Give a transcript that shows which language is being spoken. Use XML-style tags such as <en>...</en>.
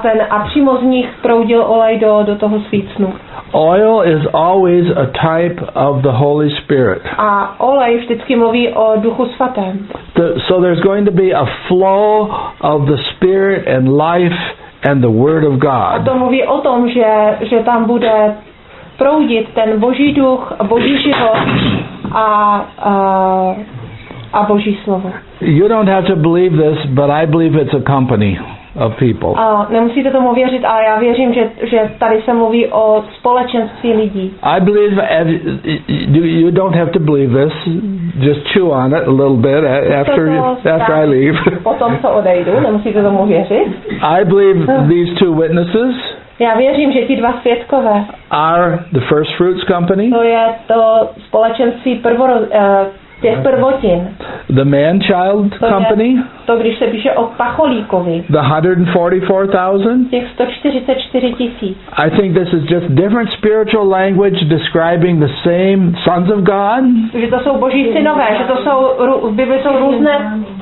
<cs>A přímo z nich proudil olej do toho svícnu.</cs> <en>Oil is always a type of the Holy Spirit.</en> <cs>A olej vždycky mluví o Duchu svatém.</cs> <en>So there's going to be a flow of the Spirit and life and the Word of God.</en> <cs>A to mluví o tom, že tam bude proudit ten Boží duch, Boží život a Boží slovo.</cs> <en>You don't have to believe this, but I believe it's a company of people.</en> <cs>A nemusíte tomu věřit, ale já věřím, že tady se mluví o společenství lidí.</cs> <en>I believe you don't have to believe this. Just chew on it a little bit after I leave.</en> <cs>Potom co odejdu, nemusíte tomu věřit.</cs> <en>I believe these two witnesses.</en> <cs>Já věřím, že ti dva svědkové.</cs> <en>Are the First Fruits Company?</en> <cs>To je to společenství těch prvotin.</cs> <en>The Man-Child Company.</en> <cs>To, když se píše o Pacholíkovi.</cs> <en>The 144,000.</en> <cs>Těch 144,000.</cs> <en>I think this is just different spiritual language describing the same sons of God.</en> <cs>Že to jsou Boží synové, že to jsou v Bibli jsou různé.</cs>